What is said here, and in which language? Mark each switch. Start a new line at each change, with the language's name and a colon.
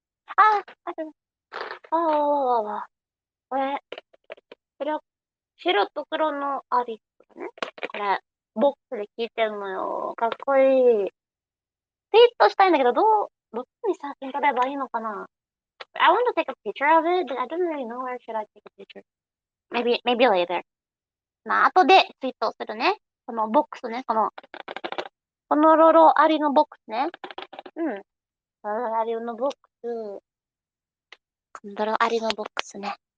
Japanese: あ、あるあ、これ。白と黒のアリスね。これ、ボックスで聞いてるのよ。かっこいい。ツイートしたいんだけど、どっちに写真撮ればいいのかな？
English: I want to take a picture of it, but I don't really know where should I take a picture. Maybe later.
Japanese: まあ、後でツイートするね。このボックスね、このロロアリのボックスね。ロロアリのボックス。ロロアリのボックスね。